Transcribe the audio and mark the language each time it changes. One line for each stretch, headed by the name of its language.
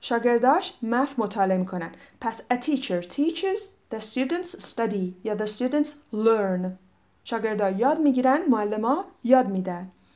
Persian: شاگرداش math مطالعه میکنن.
English: پس a teacher teaches, the students study یا the students learn.
Persian: شاگردا یاد میگیرن، معلما یاد میدن.